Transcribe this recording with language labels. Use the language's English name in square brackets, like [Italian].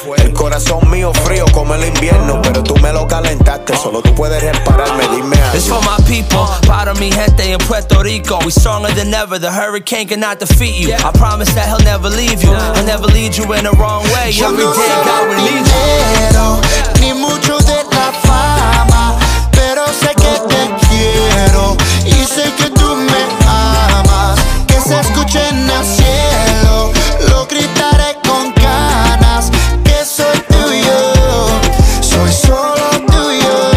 [Spanish] El corazón mío frío como el invierno, pero tú me lo calentaste. Solo tú puedes repararme, dime algo. [English] It's for my people, [Spanish] para mi gente en Puerto Rico. [English] We stronger than ever, the hurricane cannot defeat you. I promise that he'll never leave you. He'll never lead you in the wrong way. [Spanish] Yo no sé de dinero, ni mucho de la fama, pero sé que te quiero, y sé que tú me amas. Que se escuche en el cielo, lo gritaré con ganas, que soy tuyo, soy solo tuyo.